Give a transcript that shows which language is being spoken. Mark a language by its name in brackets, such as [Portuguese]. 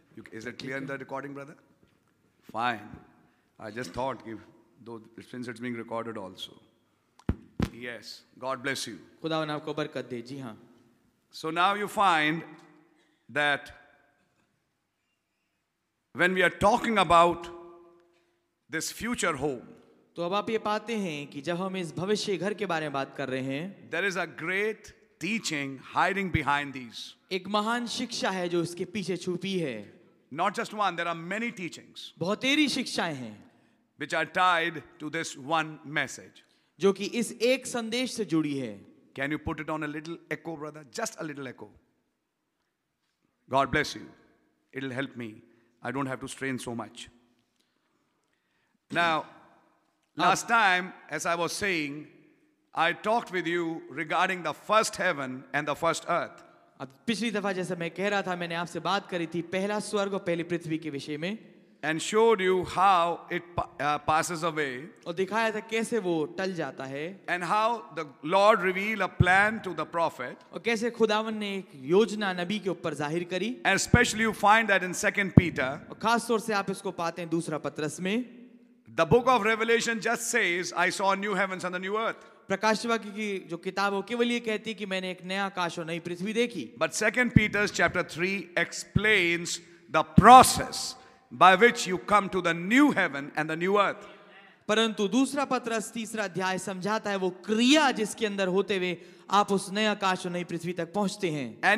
[English] Is it clear in the recording, brother? Fine. I just thought, since it's being recorded also. Yes. God bless you. [Hindi] खुदावन आपको बरकत दे. जी हाँ. [English] So now you find that when we are talking about this future home, [Hindi] तो अब आप ये पाते हैं कि जब हम इस भविष्य घर के बारे में बात कर रहे हैं, [English] there is a great teaching hiding behind these. [Hindi] एक महान शिक्षा है जो इसके पीछे छुपी है. [English] Not just one, there are many teachings. [Hindi] बहुतेरी शिक्षाएं हैं. [English] Which are tied to this one message. [Hindi] जो कि इस एक संदेश से जुड़ी है. [English] Can you put it on a little echo, brother? Just a little echo. God bless you. It'll help me. I don't have to strain so much. Now, last time, as I was saying, I talked with you regarding the first heaven and the first earth. [Hindi] पिछली दफा जैसे मैं कह रहा था मैंने आपसे बात करी थी पहला स्वर्ग और पहली पृथ्वी के विषय में [English] and showed you how it passes away [Hindi] और दिखाया था कैसे वो टल जाता है [English] and how the Lord revealed a plan to the prophet [Hindi] और कैसे खुदावन ने एक योजना नबी के ऊपर जाहिर करी [English] and especially you find that in 2 Peter [Hindi] और खास तौर से आप इसको पाते हैं दूसरा पत्रस में [English] the book of Revelation just says I saw new heavens and the new earth [Hindi] प्रकाशवाक्य की जो किताब हो केवल ये कहती कि मैंने एक नया आकाश और नई पृथ्वी देखी [English] but 2 Peter's chapter 3 explains the process by which you come to the new heaven and the new earth [Hindi] परंतु दूसरा पत्रस तीसरा अध्याय समझाता है वो क्रिया जिसके अंदर होते हुए आप उस नए आकाश और नई पृथ्वी तक पहुंचते हैं